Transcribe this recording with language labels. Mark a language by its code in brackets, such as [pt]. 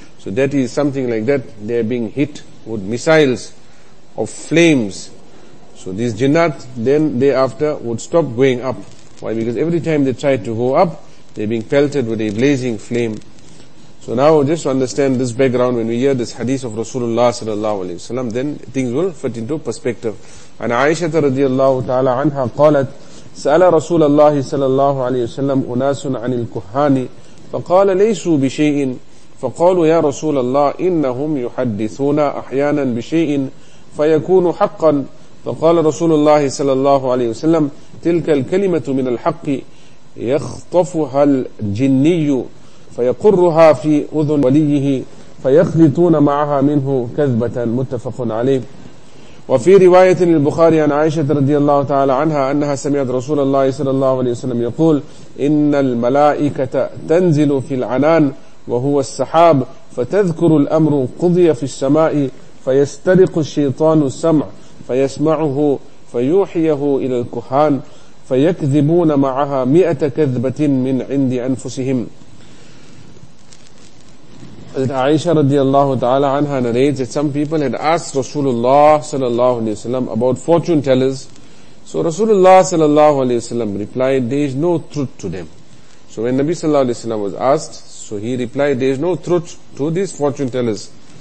[en] So that is something like that. They are being hit with missiles of flames. So these jinnat then thereafter would stop going up. Why? Because every time they try to go up, they're being pelted with a blazing flame. So now, just to understand this background, when we hear this hadith of Rasulullah sallallahu alaihi wasallam, then things will fit into perspective. [ar] And Aisha radiallahu ta'ala anha qalat, سأل رسول الله صلى الله عليه وسلم أناس عن الكهان فقال ليسوا بشيء فقالوا يا رسول الله إنهم يحدثون أحيانا بشيء فيكون حقا فقال رسول الله صلى الله عليه وسلم تلك الكلمة من الحق يخطفها الجني فيقرها في أذن وليه فيخلطون معها منه كذبة متفق عليه. وفي رواية للبخاري عن عائشة رضي الله تعالى عنها أنها سمعت رسول الله صلى الله عليه وسلم يقول إن الملائكة تنزل في العنان وهو السحاب فتذكر الأمر قضي في السماء فيسترق الشيطان السمع فيسمعه فيوحيه إلى الكهان فيكذبون معها مئة كذبة من عند أنفسهم. [en] Aisha radiallahu ta'ala anha narrates that some people had asked Rasulullah sallallahu alayhi wa sallam about fortune tellers. So Rasulullah sallallahu alayhi wa sallam replied, there is no truth to them. So when Nabi sallallahu alayhi wa sallam was asked, so he replied, there is no truth to these fortune tellers.